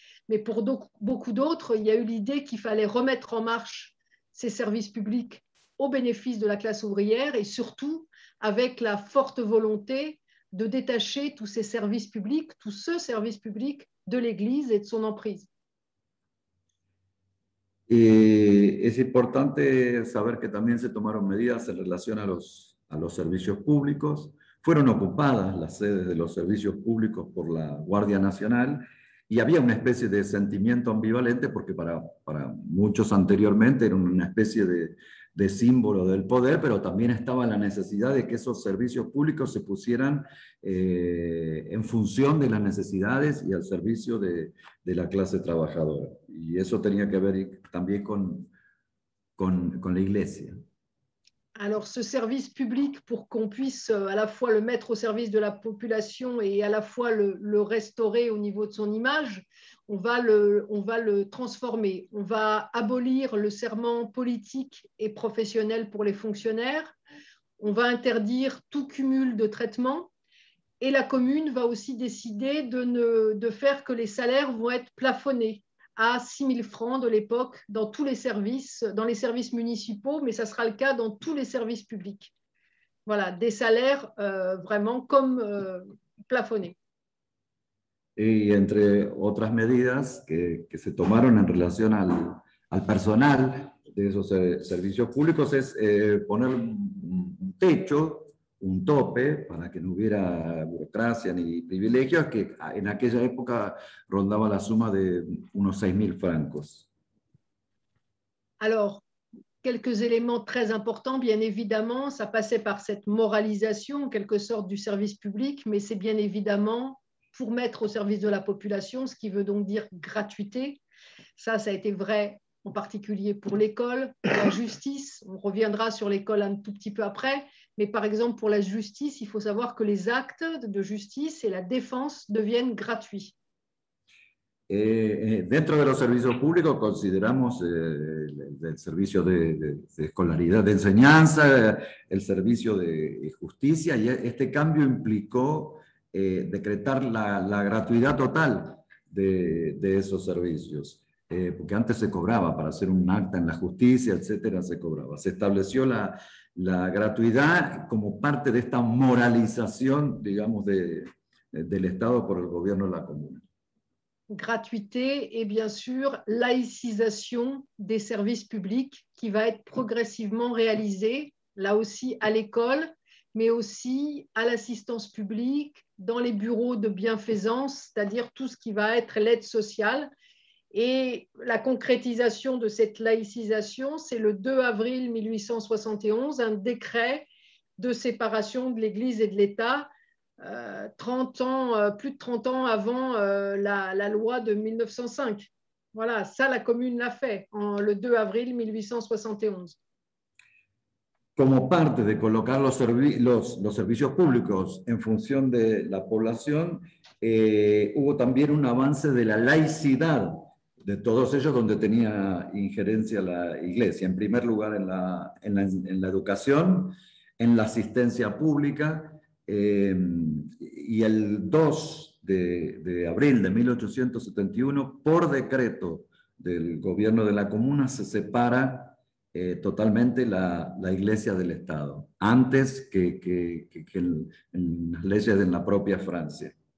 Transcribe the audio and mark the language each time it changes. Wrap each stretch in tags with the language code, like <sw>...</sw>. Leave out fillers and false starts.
<fr>Mais pour beaucoup d'autres, il y a eu l'idée qu'il fallait remettre en marche ces services publics au bénéfice de la classe ouvrière et surtout avec la forte volonté de détacher tous ces services publics, tout ce service public de l'Église et de son emprise.</fr> <es>Es importante saber que también se tomaron medidas en relación a los servicios públicos. Fueron ocupadas las sedes de los servicios públicos por la Guardia Nacional. Y había una especie de sentimiento ambivalente porque para muchos anteriormente era una especie de símbolo del poder, pero también estaba la necesidad de que esos servicios públicos se pusieran en función de las necesidades y al servicio de la clase trabajadora. Y eso tenía que ver también con la iglesia.</es> <fr>Alors ce service public, pour qu'on puisse à la fois le mettre au service de la population et à la fois le restaurer au niveau de son image, on va le transformer. On va abolir le serment politique et professionnel pour les fonctionnaires. On va interdire tout cumul de traitement. Et la commune va aussi décider de faire que les salaires vont être plafonnés à 6 000 francs de l'époque dans tous les services, dans les services municipaux, mais ça sera le cas dans tous les services publics. Voilà, des salaires vraiment comme plafonnés. Et entre autres mesures</fr> <es>que se tomaron en relation al personnel de esos servicios públicos,</es> <fr>c'est</fr> <es>poner un techo, un tope para que no hubiera burocracia ni privilegios, que en aquella época rondaba la suma de unos 6.000 francos.</es> <fr>Alors, quelques éléments très importants, bien évidemment, ça passait par cette moralisation, en quelque sorte, du service public, mais c'est bien évidemment pour mettre au service de la population, ce qui veut donc dire gratuité. Ça a été vrai en particulier pour l'école, la justice, on reviendra sur l'école un tout petit peu après, mais par exemple pour la justice, il faut savoir que les actes de justice et la défense deviennent gratuits.</fr> <es>Dentro de los servicios públicos consideramos el servicio de escolaridad, de enseñanza, el servicio de justicia, y este cambio implicó decretar la gratuidad total de esos servicios. Porque antes se cobraba para hacer un acta en la justicia, etcétera, se cobraba. Se estableció la gratuidad como parte de esta moralización, digamos, del Estado por el gobierno de la comuna.</es> <fr>Gratuité et bien sûr laïcisation des services publics qui va être progressivement réalisée, là aussi à l'école, mais aussi à l'assistance publique, dans les bureaux de bienfaisance, c'est-à-dire tout ce qui va être l'aide sociale. Et la concrétisation de cette laïcisation, c'est le 2 avril 1871, un décret de séparation de l'Église et de l'État, plus de 30 ans avant la loi de 1905. Voilà, ça, la commune l'a fait, le 2 avril 1871.</fr> <es>Como parte de colocar los servicios públicos en función de la población, hubo también un avance de la laicidad de todos ellos donde tenía injerencia la iglesia. En primer lugar, en la educación, en la asistencia pública, y el 2 de abril de 1871, por decreto del gobierno de la comuna, se separa totalmente la iglesia del Estado, antes que las leyes en la propia Francia.</es>